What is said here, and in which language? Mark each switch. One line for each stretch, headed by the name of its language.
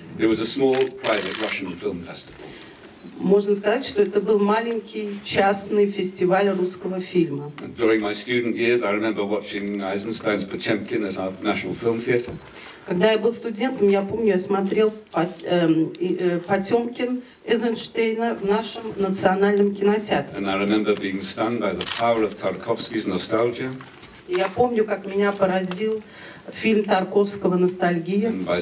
English: It was a small, private Russian film festival.
Russian: Можно сказать, что это был маленький частный фестиваль русского фильма.
English: During my student years, I remember watching Eisenstein's Potemkin at our National Film Theatre.
Russian: Когда я был студентом, я помню, я смотрел «Потемкин» Эйзенштейна в нашем национальном кинотеатре.
English: And I remember being stunned by the power of Tarkovsky's nostalgia.
Russian: Я помню, как меня поразил фильм Тарковского «Ностальгия».